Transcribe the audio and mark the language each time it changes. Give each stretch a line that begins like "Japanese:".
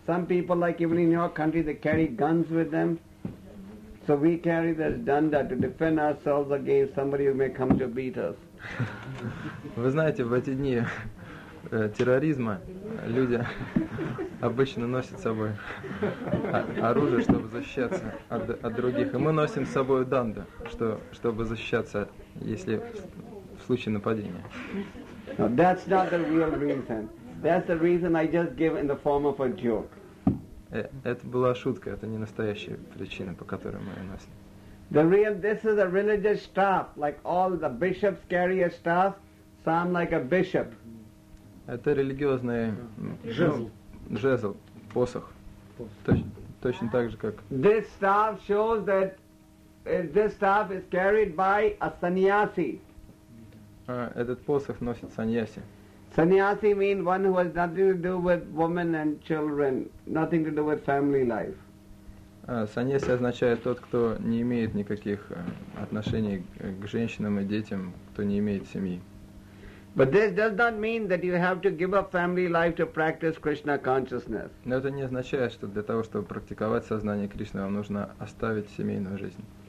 English: Some people, like even in your country, they carry guns with them. So we carry this danda to defend ourselves against somebody who may come to beat us.
Russian: Вы знаете, в эти дни терроризма люди обычно носят с собой оружие, чтобы защищаться от других. И мы носим с собой данда, чтобы защищаться, если в случае нападения.
English: No, that's not the real reason. That's the reason I just give in the form of a joke.
Russian: Это была шутка, это не настоящая причина, по которой мы ее носим.
English: This is a religious staff, like all the bishops carry a staff. sound like a bishop.
Russian: Это религиозный жезл, посох. Точно так же, как...
English: This staff shows that this staff is carried by a sannyasi.
Russian: Этот посох носит саньяси.
English: Sannyasi means one who has nothing to do with women and children, nothing to do with family life.
Russian: Саньяси означает тот, кто не имеет никаких отношений к женщинам и детям, кто не имеет семьи.
English: But this does not mean that you have to give up family life to practice Krishna consciousness.
Russian: Но это не означает, что для того, чтобы практиковать сознание Кришны, вам нужно оставить семейную жизнь.